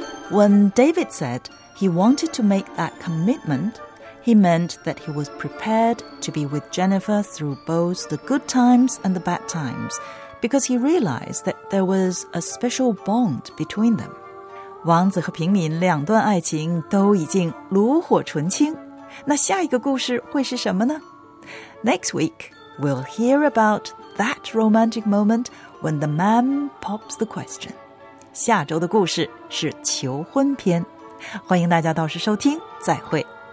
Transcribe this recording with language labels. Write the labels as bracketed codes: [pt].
[en] When David said he wanted to make that commitment, he meant that he was prepared to be with Jennifer through both the good times and the bad times because he realised that there was a special bond between them. [zh] 王子和平民两段爱情都已经炉火纯青。那下一个故事会是什么呢？ [en] Next week, we'll hear about that romantic moment when the man pops the question. [zh] 下周的故事是求婚篇。欢迎大家到时收听，再会。